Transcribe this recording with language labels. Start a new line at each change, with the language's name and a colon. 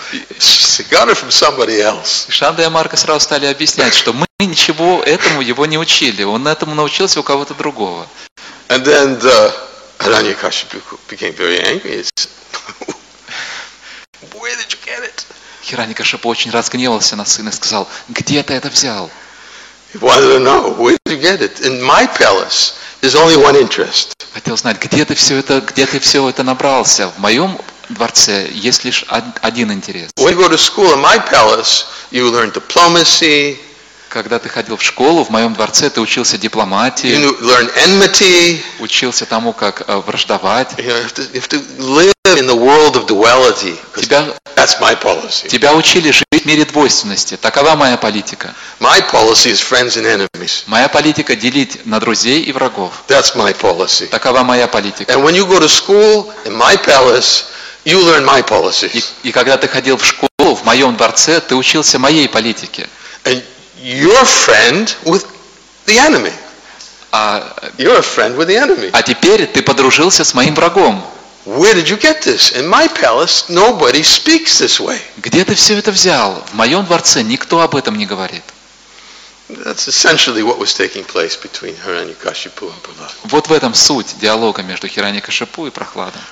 English: We got it from somebody else.
Russian: Сандвая Марка сразу стали объяснять, что мы ничего этому его не учили. Он этому научился у кого-то другого.
English: And then the Хираньякашипу became very angry. Where did you get it?
Russian: Хираньякашипу очень разгневался на сына и сказал, где ты это взял?
English: He wanted to know, where did you get it? In my palace, there's only one interest.
Russian: Хотел знать, где ты все это набрался? В моем дворце есть лишь один интерес.
English: When you go to school in my palace, you learn diplomacy.
Russian: Когда ты ходил в школу, в моем дворце ты учился дипломатии.
English: You learn enmity.
Russian: Учился тому, как враждовать.
English: You have to live in the world of duality. That's my policy.
Russian: Тебя учили жить в мире двойственности. Такова моя политика.
English: My policy is friends and enemies.
Russian: Моя политика делить на друзей и врагов.
English: That's my policy.
Russian: Такова моя политика.
English: And when you go to school in my palace, you learn my policies.
Russian: И когда ты ходил в школу в моем дворце, ты учился моей политике.
English: And you're a friend with the enemy. You're a friend with the enemy.
Russian: А теперь ты подружился с моим врагом.
English: Where did you get this? In my palace, nobody speaks this way.
Russian: Где ты все это взял? В моем дворце никто об этом не говорит.
English: That's essentially what was taking place between Hiranyakashipu and Prahlad.
Russian: Вот в этом суть диалога между Хираньякашипу и Прохладом.